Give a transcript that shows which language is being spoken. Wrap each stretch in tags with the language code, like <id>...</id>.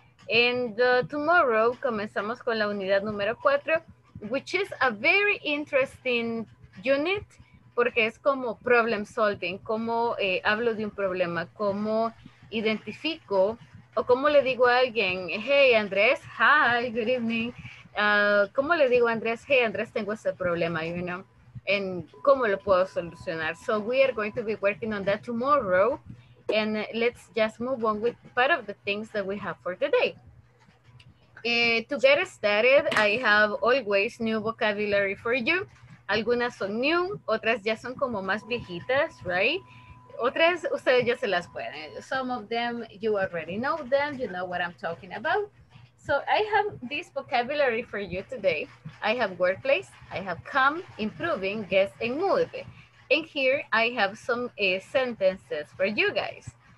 <en>And tomorrow,</en> <es>comenzamos con la unidad número 4,</es> <en>which is a very interesting unit,</en> <es>porque es como problem solving, como hablo de un problema, como identifico, o como le digo a alguien,</es> <en>hey Andrés, hi, good evening,</en> <es>como le digo a Andrés, hey Andrés, tengo este problema,</es> <en>you know, and</en> <es>como lo puedo solucionar.</es> <en>So we are going to be working on that tomorrow, and let's just move on with part of the things that we have for today. To get started, I have always new vocabulary for you.</en> <es>Algunas son new, otras ya son como más viejitas, right? Otras, ustedes ya se las pueden.</es> <en>Some of them, you already know them, you know what I'm talking about. So I have this vocabulary for you today. I have workplace, I have come, improving, guest, and move. And here I have some sentences for you guys.</en>